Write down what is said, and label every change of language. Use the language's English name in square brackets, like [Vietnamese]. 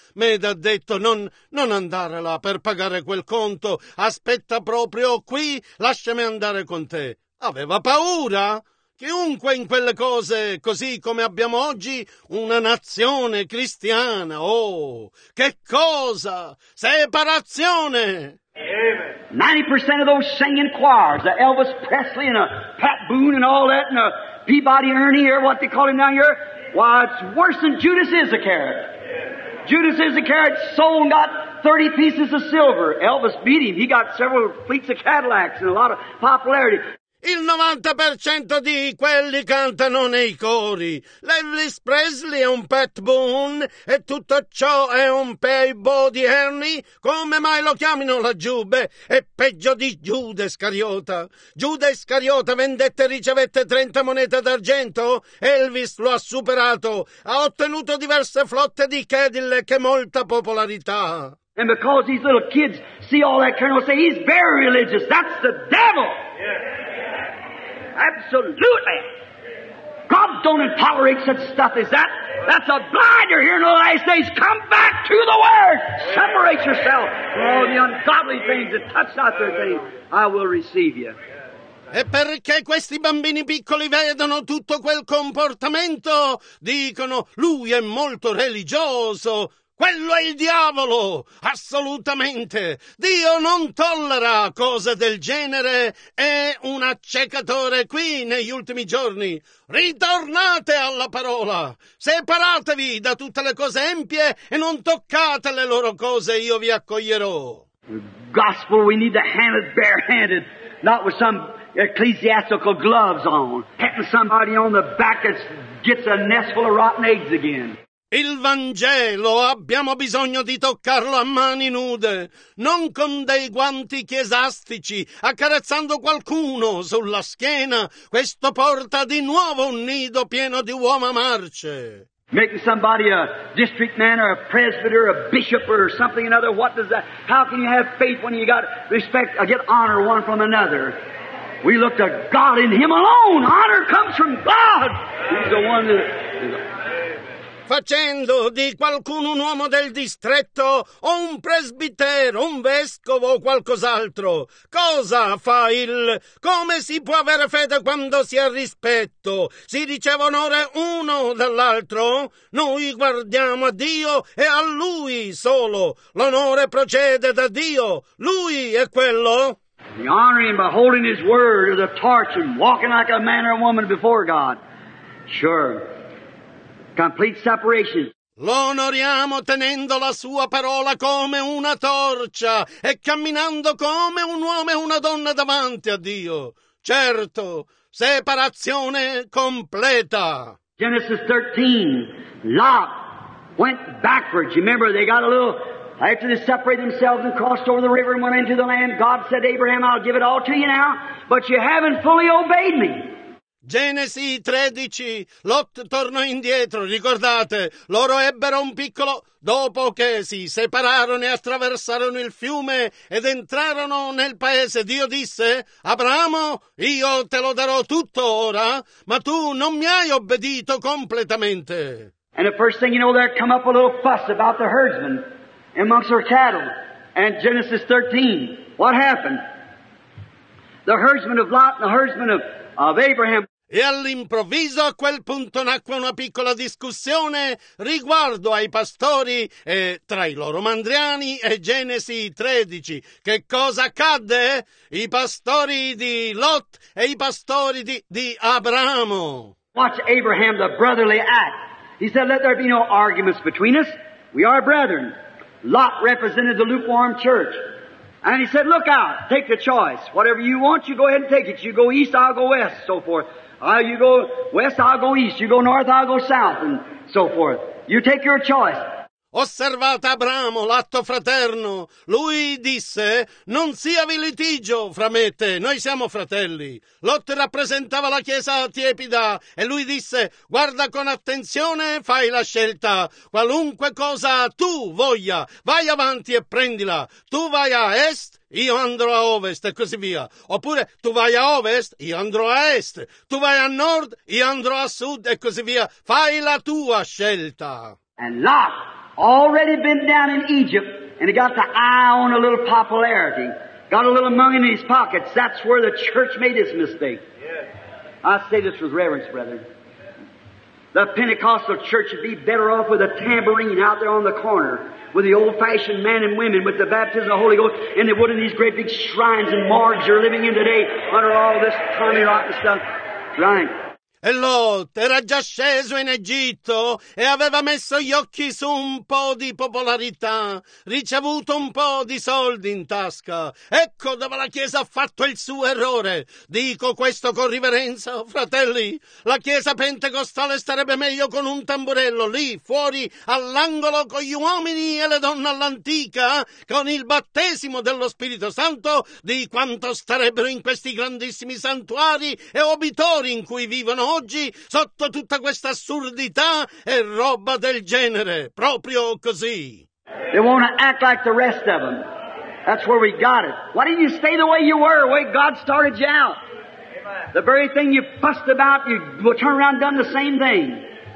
[Italian] Me ha detto, non andare là per pagare quel conto, aspetta proprio qui, lasciami andare con te. Aveva paura. Chiunque in quelle cose, così come abbiamo oggi, una nazione cristiana. Oh, che cosa! Separazione! [English] 90% of those singing choirs, the Elvis Presley and a Pat Boone and all that, and a Peabody Ernie, or what they call him down here, why, it's worse than Judas Iscariot. Judas Iscariot sold and got 30 pieces of silver. Elvis beat him. He got several fleets of Cadillacs and a lot of popularity. [Italian] Il 90% di quelli cantano nei cori. Elvis Presley è un Pat Boone e tutto ciò è un Peabody Ernie. Come mai lo chiamino laggiù? Beh, è peggio di Giuda Iscariota. Giuda Iscariota vendette e ricevette 30 monete d'argento. Elvis lo ha superato. Ha ottenuto diverse flotte di Cadillac e molta popolarità. [English] And because these little kids see all that kind of say, he's very religious. That's the devil. Absolutely. God don't tolerate such stuff as that. That's a blinder here in the United States. Come back to the Word. Separate yourself from all the ungodly things that touch not their things. I will receive you. [Italian] E perché questi bambini piccoli vedono tutto quel comportamento? Dicono, lui è molto religioso. quello è il diavolo, assolutamente. Dio non tollera cose del genere, è un accecatore qui negli ultimi giorni. Ritornate alla parola, separatevi da tutte le cose empie e non toccate le loro cose, io vi accoglierò. [English] Gospel, we need to hand it barehanded, not with some ecclesiastical gloves on, hitting somebody on the back that gets a nestful of rotten eggs again. [Italian] Il Vangelo, abbiamo bisogno di toccarlo a mani nude, non con dei guanti chiesastici, accarezzando qualcuno sulla schiena. Questo porta di nuovo un nido pieno di uova marce. [English] Making somebody a district man or a presbyter or a bishop or something another, what does that, how can you have faith when you got respect or get honor one from another? We look to God in Him alone. Honor comes from God. He's the one that... [Italian] Facendo di qualcuno un uomo del distretto o un presbitero, un vescovo o qualcos'altro. Cosa fa il... Come si può avere fede quando si ha rispetto? Si riceve onore uno dall'altro? Noi guardiamo a Dio e a Lui solo. L'onore procede da Dio. Lui è quello. [English] The honoring and beholding His word is a torch and walking like a man or a woman before God. Sure. Complete separation. [Italian] L'onoriamo tenendo la sua parola come una torcia e camminando come un uomo e una donna davanti a Dio. Certo, separazione completa. [English] Genesis 13, Lot went backwards. You remember they got a little, after they separated themselves and crossed over the river and went into the land, God said, Abraham, I'll give it all to you now, but you haven't fully obeyed me. [Italian] Genesi 13, Lot tornò indietro, ricordate, loro ebbero un piccolo... Dopo che si separarono e attraversarono il fiume ed entrarono nel paese, Dio disse, Abramo, io te lo darò tutto ora, ma tu non mi hai obbedito completamente. [English] And the first thing you know, there come up a little fuss about the herdsmen amongst their cattle. And Genesis 13, what happened? The herdsmen of Lot and the herdsmen of Abraham. [Italian] E all'improvviso a quel punto nacque una piccola discussione riguardo ai pastori e tra i loro mandriani e Genesi 13. Che cosa accadde? I pastori di Lot e i pastori di Abramo. [English] Watch Abraham, the brotherly act. He said, let there be no arguments between us. We are brethren. Lot represented the lukewarm church. And he said, look out, take the choice. Whatever you want, you go ahead and take it. You go east, I'll go west, so forth. You go west, I'll go east. You go north, I'll go south, and so forth. You take your choice. [Italian] Osservate Abramo, l'atto fraterno. Lui disse, non sia vi litigio fra me e te, noi siamo fratelli. Lot rappresentava la chiesa tiepida e lui disse, guarda con attenzione, fai la scelta. Qualunque cosa tu voglia, vai avanti e prendila. Tu vai a est, io andrò a ovest e così via. Oppure tu vai a ovest, io andrò a est. Tu vai a nord, io andrò a sud e così via. Fai la tua scelta. [English] And Lot, already been down in Egypt, and he got the eye on a little popularity. Got a little money in his pockets. That's where the church made its mistake. Yes. I say this with reverence, brethren. The Pentecostal church would be better off with a tambourine out there on the corner, with the old-fashioned men and women, with the baptism of the Holy Ghost, and they would in these great big shrines and morgues you're living in today, under all this Tommy Rotten stuff. Right. [Italian] E Lot era già sceso in Egitto e aveva messo gli occhi su un po' di popolarità, ricevuto un po' di soldi in tasca. Ecco dove la Chiesa ha fatto il suo errore. Dico questo con riverenza, fratelli. La Chiesa pentecostale starebbe meglio con un tamburello lì fuori all'angolo con gli uomini e le donne all'antica, con il battesimo dello Spirito Santo, di quanto starebbero in questi grandissimi santuari e obitori in cui vivono oggi sotto tutta questa assurdità e roba del genere, proprio così. [English] They want to act like the rest of them. That's where we got it. Why didn't you stay the way you were, the way God started you out? The very thing you fussed about, you turn around and done the same thing.